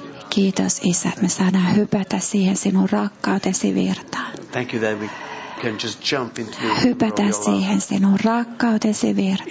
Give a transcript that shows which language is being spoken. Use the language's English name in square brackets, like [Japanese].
[Finnish] Kiitos Isä, me saadaan hypätä siihen sinun rakkautesi virtaan. [English] Thank you that we can just jump into the. [Finnish] Hypätä siihen sinun rakkautesi virtaan.